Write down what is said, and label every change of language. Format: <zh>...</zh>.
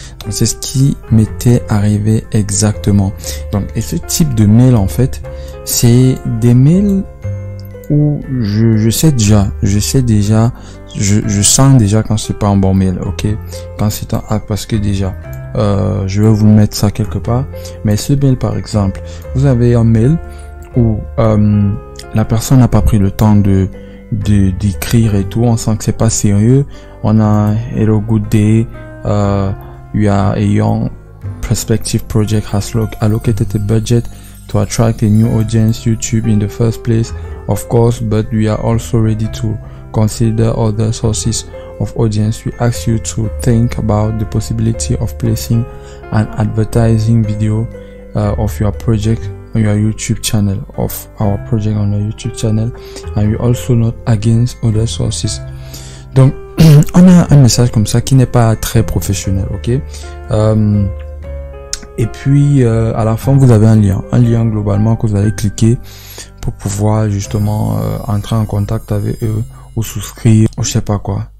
<fr>Donc, c'est ce qui m'était arrivé exactement. Donc, et ce type de mail en fait, c'est des mails où je sais déjà, je sens déjà quand c'est pas un bon mail, ok? Quand c'est un hack, parce que déjà, je vais vous mettre ça quelque part. Mais ce mail, par exemple, vous avez un mail où la personne n'a pas pris le temps d'écrire et tout. On sent que c'est pas sérieux. On a</fr> <en>Hello, good day. You are a young prospective project has allocated a budget to attract a new audience YouTube in the first place. Of course, but we are also ready to consider other sources of audience. We ask you to think about the possibility of placing an advertising video of your project on your YouTube channel, of our project on your YouTube channel, and we also not against other sources.</en> <fr>Donc, on a un message comme ça qui n'est pas très professionnel, ok? Et puis, à la fin, vous avez un lien globalement que vous allez cliquer pour pouvoir justement entrer en contact avec eux ou souscrire ou je sais pas quoi.</fr>